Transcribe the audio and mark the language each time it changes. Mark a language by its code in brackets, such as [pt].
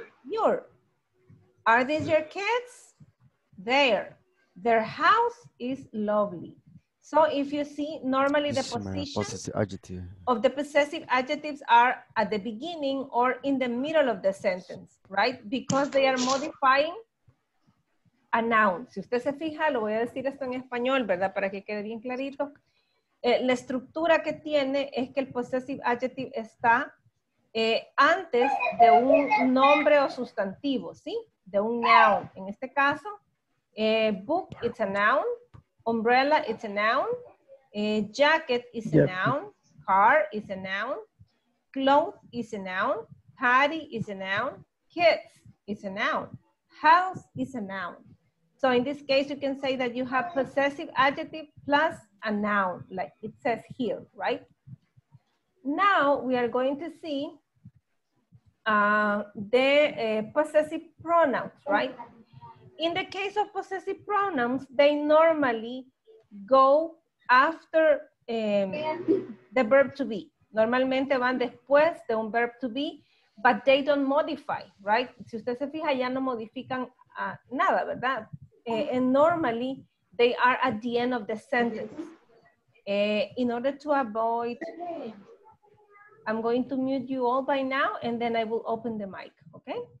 [en] Your, are these your kids? Their house is lovely. So if you see, normally the position adjective of the possessive adjectives are at the beginning or in the middle of the sentence, right? Because they are modifying a noun. [es] Si usted se fija, lo voy a decir esto en español, ¿verdad? Para que quede bien clarito. La estructura que tiene es que el possessive adjective está antes de un nombre o sustantivo, ¿sí? De un noun. En este caso, book, [en] it's a noun. Umbrella, it's a noun. Jacket is a noun. Car is a noun. Cloth is a noun. Party is a noun. Kids is a noun. House is a noun. So in this case, you can say that you have possessive adjective plus a noun, like it says here, right? Now we are going to see possessive pronouns, right? In the case of possessive pronouns, they normally go after the verb to be. [es] Normalmente van después de un [en] verb to be, but they don't modify, right? [es] Si usted se fija, ya no modifican nada, ¿verdad? [en] And normally, they are at the end of the sentence. In order to avoid, I'm going to mute you all by now, and then I will open the mic, okay?